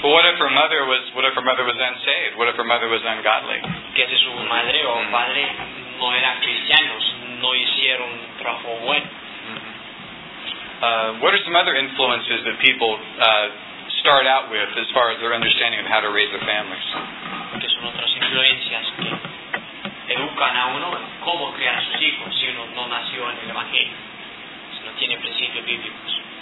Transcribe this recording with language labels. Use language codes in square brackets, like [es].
[en] But what if her mother was unsaved? What if her mother was ungodly? [es] ¿Qué si su madre o padre no eran cristianos, no hicieron trabajo bueno? [en] What are some other influences that people start out with as far as their understanding of how to raise their families? [es] ¿Qué son otras influencias que educan a uno en cómo criar a sus hijos si uno no nació en el Evangelio, si no tiene principios bíblicos?